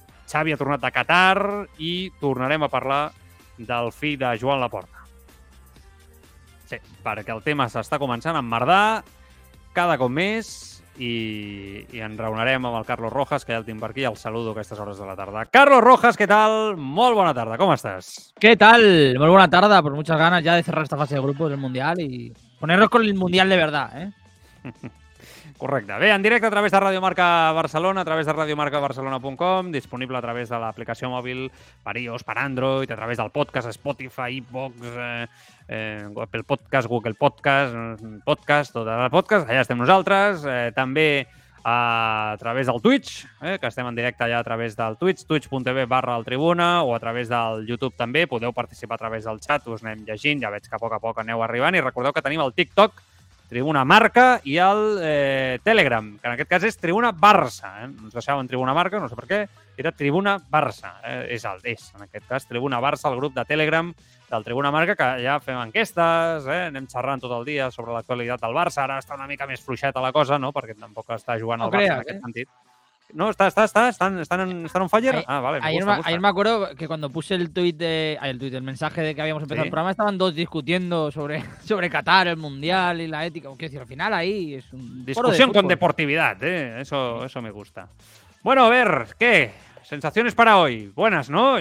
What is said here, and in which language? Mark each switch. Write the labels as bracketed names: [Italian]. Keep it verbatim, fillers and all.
[Catalan] Xavi ha tornat a Qatar i tornarem a parlar del fill de Joan Laporta. Sí, perquè el tema s'està començant a emmerdar cada cop més. I, i enraonarem amb el Carlos Rojas, que ja el tinc per aquí, el saludo a aquestes hores de la tarda. [Spanish] Carlos Rojas, ¿qué tal? [Catalan] Molt bona tarda, [Spanish] ¿cómo estás? ¿Qué tal? Muy buena tarde, por muchas ganas ya de cerrar esta fase de grupos del Mundial y ponernos con el Mundial de verdad, ¿eh? [Catalan] Correcte. Bé, en directe a través de Radio Marca Barcelona, a través de radio marca barcelona punt com, disponible a través de l'aplicació mòbil per iOS, per Android, a través del podcast Spotify, iVoox, eh, eh, Apple Podcast, Google Podcast, Podcast, tot el podcast, allà estem nosaltres. Eh, també a través del Twitch, eh, que estem en directe allà a través del Twitch, twitch punt t v barra el tribuna, o a través del YouTube també. Podeu participar a través del xat, us anem llegint, ja veig que a poc a poc aneu arribant. I recordeu que tenim el TikTok, Tribuna Marca, i el eh, Telegram, que en aquest cas és Tribuna Barça. Eh? Ens deixaven Tribuna Marca, no sé per què, era Tribuna Barça. Eh? És el és, en aquest cas, Tribuna Barça, el grup de Telegram, del Tribuna Marca, que ja fem enquestes, eh? Anem xerrant tot el dia sobre l'actualitat del Barça. Ara està una mica més fluixeta la cosa, no? Perquè tampoc està jugant no el Barça [Spanish] creas, [Catalan] en aquest eh? sentit. [Spanish] No, está, está, está, están, están, en, están [English] on fire. [Spanish] Ah, vale. Me ayer, gusta, gusta. ayer me acuerdo que cuando puse el tuit, de, el, tuit el mensaje de que habíamos empezado ¿Sí? el programa, estaban dos discutiendo sobre, sobre Qatar, el Mundial y la ética. Quiero decir, al final ahí es un discusión de con deportividad, eh. Eso, sí. eso me gusta. Bueno, a ver, ¿qué? Sensaciones para hoy. Buenas, ¿no?